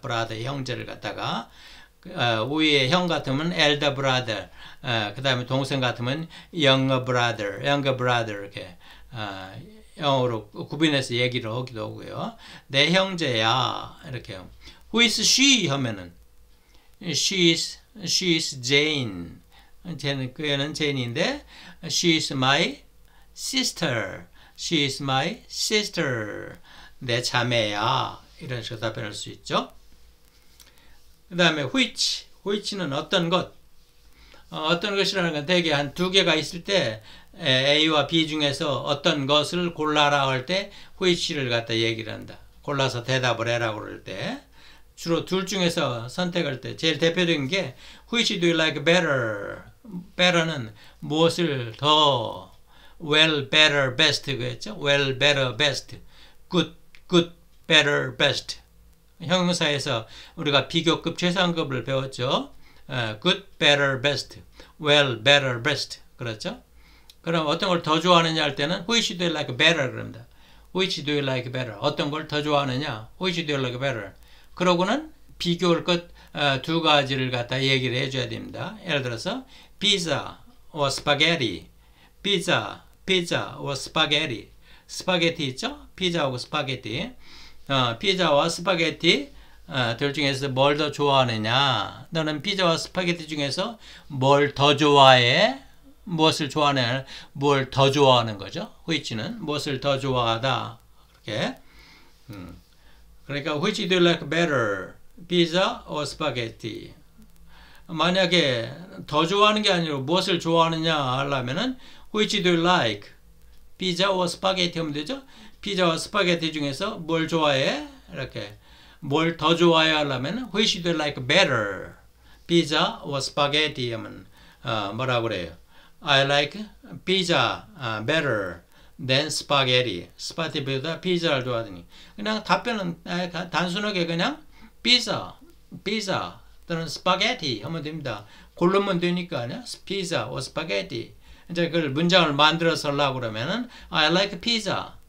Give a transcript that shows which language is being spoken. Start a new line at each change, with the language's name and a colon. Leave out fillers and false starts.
Korean: Brother 형제를 갖다가 위에 형 같으면 elder brother. 그 다음에 동생 같으면 younger brother 이렇게. 영어로 구분해서 얘기를 하기도 하고요. 내 형제야 이렇게.
English: Who is she?
Korean: 하면은
English: she is Jane.
Korean: 그녀는 제인인데
English: she is my sister. She is my sister.
Korean: 내 자매야 이런 식으로 답변할 수 있죠. 그 다음에 which. Which는 어떤 것. 어떤 것이라는 건 대개 한 두 개가 있을 때 A와 B 중에서 어떤 것을 골라라 할 때 which를 갖다 얘기를 한다. 골라서 대답을 해라 그럴 때 주로 둘 중에서 선택할 때 제일 대표적인 게
English: which do you like better?
Korean: better는 무엇을 더 well, better, best 그랬죠? well, better, best good, better, best 형용사에서 우리가 비교급, 최상급을 배웠죠?
English: good, better, best well, better, best
Korean: 그렇죠? 그럼 어떤 걸 더 좋아하느냐 할 때는
English: Which do you like better?
Korean: 그럽니다.
English: Which do you like better?
Korean: 어떤 걸 더 좋아하느냐?
English: Which do you like better?
Korean: 그러고는 비교할 것 두 가지를 갖다 얘기를 해줘야 됩니다. 예를 들어서
English: Pizza or Spaghetti. Pizza or Spaghetti.
Korean: Spaghetti 있죠? Pizza하고 Spaghetti. Pizza와 Spaghetti 둘 중에서 뭘 더 좋아하느냐? 너는 Pizza와 Spaghetti 중에서 뭘 더 좋아해? 무엇을 좋아하냐, 뭘 더 좋아하는 거죠. which는 무엇을 더 좋아하다. 그렇게. 그러니까
English: which do you like better? pizza or spaghetti?
Korean: 만약에 더 좋아하는 게 아니고 무엇을 좋아하느냐 하려면은
English: which do you like? pizza or spaghetti
Korean: 하면 되죠.
English: pizza or spaghetti
Korean: 중에서 뭘 좋아해? 이렇게. 뭘 더 좋아해 하려면은
English: which do you like better? pizza or spaghetti
Korean: 하면 뭐라고 그래요?
English: I like pizza better than spaghetti.
Korean: Spaghetti보다 pizza를 좋아하더니 그냥 답변은 단순하게 그냥 pizza 또는 스파게티 하면 됩니다. 고르면 되니까 피자 or 스파게티. 이제 그 문장을 만들어서 하려고 그러면은
English: I like pizza.